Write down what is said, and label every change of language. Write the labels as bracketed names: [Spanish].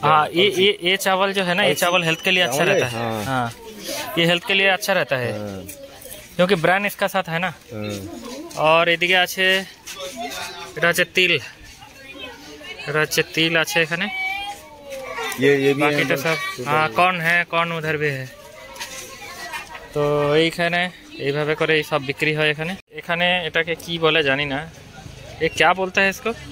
[Hindi] हाँ ये ये ये चावल जो है ना, ये चावल हेल्थ के लिए अच्छा रहता है। हाँ ये हेल्थ के लिए अच्छा रहता है क्योंकि ब्रांड इसका साथ है ना। और [Bangla] এদিকে আছে, এটা আছে তিল, এটা আছে তিল আছে এখানে। [Hindi] ये ये भी बाकी तो सब, हाँ कौन है कौन उधर भी है। तो [Bangla] এইখানে এইভাবে করে সব বিক্রি হয় এখানে। এখানে এটাকে কি বলে জানি না, এ [Hindi] क्या बोलता है इसको?